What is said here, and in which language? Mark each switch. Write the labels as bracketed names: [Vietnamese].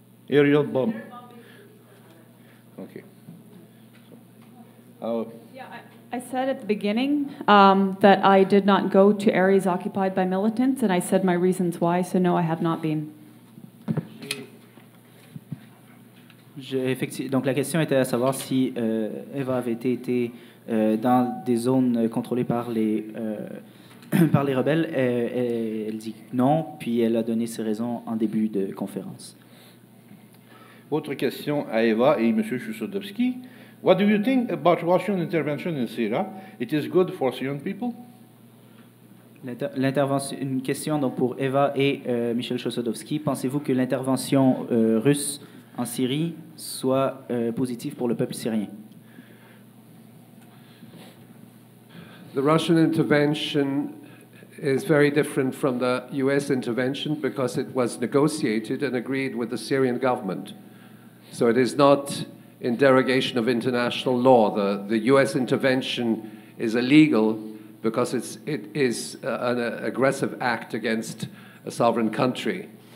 [English] Aerial bomb. Okay. I said at the beginning that I did not go to areas occupied by militants, and I said my reasons why, so no, I have not been. [French] Donc la question était à savoir si Eva avait été dans des zones contrôlées par les rebelles. Elle dit non, puis elle a donné ses raisons en début de conférence. Autre question à Eva et M. Chossudovsky. [English] What do you think about Russian intervention in Syria? It is good for Syrian people? [French] L'intervention, une question donc pour Eva et Michel Chossudovsky. Pensez-vous que l'intervention russe en Syrie soit positive pour le peuple syrien? [English] The Russian intervention is very different from the US intervention because it was negotiated and agreed with the Syrian government. So it is not in derogation of international law. The U.S. intervention is illegal because it is an aggressive act against a sovereign country.